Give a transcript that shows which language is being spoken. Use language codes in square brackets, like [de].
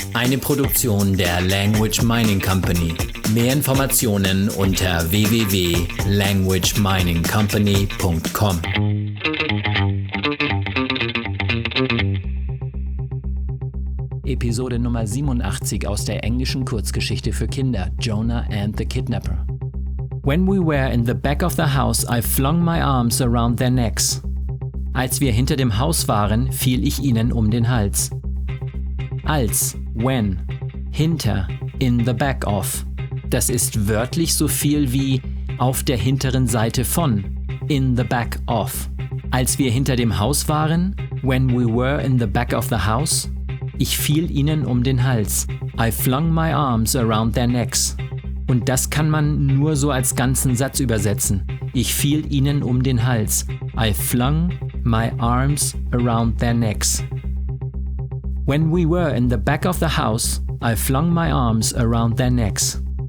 [de] Eine Produktion der Language Mining Company. Mehr Informationen unter www.languageminingcompany.com. Episode Nummer 87 aus der englischen Kurzgeschichte für Kinder, Jonah and the Kidnapper. [en] When we were in the back of the house, I flung my arms around their necks. [de] Als wir hinter dem Haus waren, fiel ich ihnen um den Hals. [en] Als, when, hinter, in the back of. [de] Das ist wörtlich so viel wie auf der hinteren Seite von, [en] in the back of. [de] Als wir hinter dem Haus waren, [en] when we were in the back of the house, [de] ich fiel ihnen um den Hals. [en] I flung my arms around their necks. [de] Und das kann man nur so als ganzen Satz übersetzen. Ich fiel ihnen um den Hals. [en] I flung my arms around their necks. When we were in the back of the house, I flung my arms around their necks.